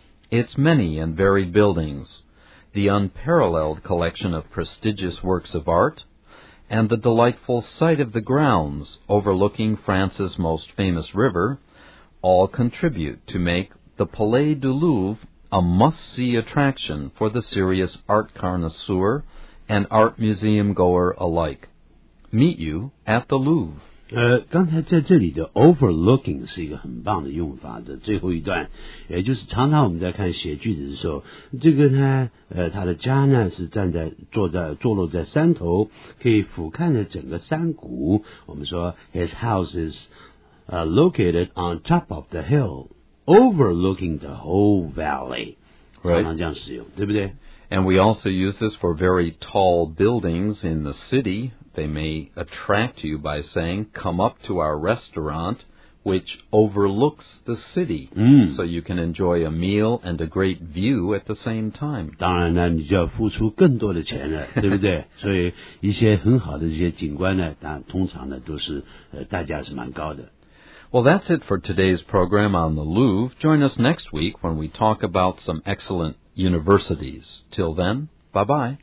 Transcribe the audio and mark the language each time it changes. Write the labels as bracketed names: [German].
[English] Its many and varied buildings, the unparalleled collection of prestigious works of art, and the delightful sight of the grounds overlooking France's most famous river, all contribute to make the Palais du Louvre a must-see attraction for the serious art connoisseur and art museum goer alike. Meet you at the Louvre. [Chinese] 刚才在这里的 overlooking 是一个很棒的用法的最后一段，也就是常常我们在看写句子的时候，这个呢，他的家呢是站在坐落在山头，可以俯瞰着整个山谷。我们说 [English] his house is located on top of the hill, overlooking the whole valley. Right. [Chinese] 常常这样使用，对不对？ [English] And we also use this for very tall buildings in the city. They may attract you by saying, come up to our restaurant, which overlooks the city,so you can enjoy a meal and a great view at the same time. [Chinese] 当然呢，你就要付出更多的钱了，对不对？所以一些很好的这些景观呢，通常呢都是代价是蛮高的。 [English] Well, that's it for today's program on the Louvre. Join us next week when we talk about some excellent universities. Till then, bye-bye.